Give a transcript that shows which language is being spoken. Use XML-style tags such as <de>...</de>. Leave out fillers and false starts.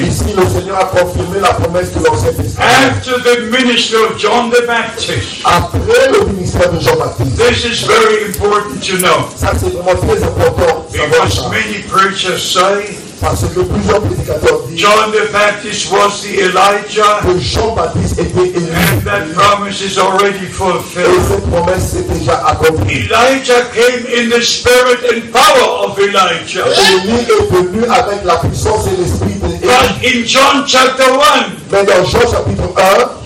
<fr>Ici, le Seigneur a confirmé la promesse de l'Ancien Testament.</fr> <en>After the ministry of John the Baptist.</en> <fr>Après le ministère de Jean Baptiste.</fr> <en>This is very important to know.</en> <fr>Ça, c'est vraiment très important.</fr> <en>Because many preachers say.</en> <fr>Parce que plusieurs prédicateurs disent.</fr> <en>John the Baptist was the Elijah.</en> <fr>Que Jean Baptiste était Élie.</fr> <en>And that promise is already fulfilled.</en> <fr>Et cette promesse est déjà accomplie.</fr> <en>Elijah came in the spirit and power of Elijah.</en> <fr>Avec la puissance et l'esprit de</fr> <en>Dieu. But in John chapter 1,</en> <fr>mais dans Jean chapitre 1,</fr>